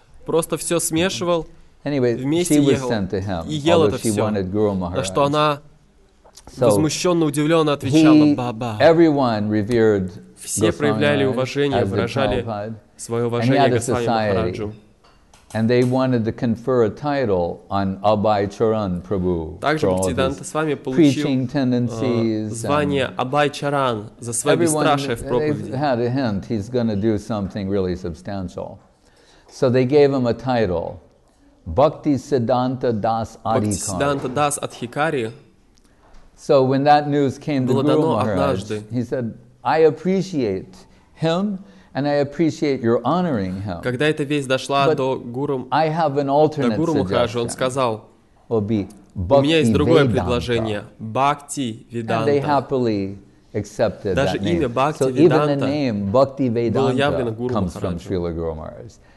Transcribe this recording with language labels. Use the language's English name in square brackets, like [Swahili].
[Russian] Просто все смешивал, вместе ел, и ел это все. На что она возмущенно, удивленно отвечала: «Баба». Все проявляли уважение, выражали свое уважение Госвами Махараджу. [English] And they wanted to confer a title on Abhay Charan Prabhu. [Russian] Также Бхактиданта с вами получил звание Абай Чаран за свое бесстрашие в проповеди. [English] They had a hint he's going to do something really substantial. So they gave him a title, Bhakti Siddhanta Das Adhikari. Bhakti Siddhanta Das Adhikari. So when that news came to Guru Maharaj, he said, I appreciate him. And I appreciate your honoring him. [Russian] Когда эта весть дошла до Гуру, Махараджа, он сказал: «У меня есть другое предложение. Бхакти Веданта». [English] And they happily accepted [Russian] даже [English] that [Russian] имя Бхакти Веданта. [English] So even the name Bhakti Vedanta comes from Srila Guru Maharaj.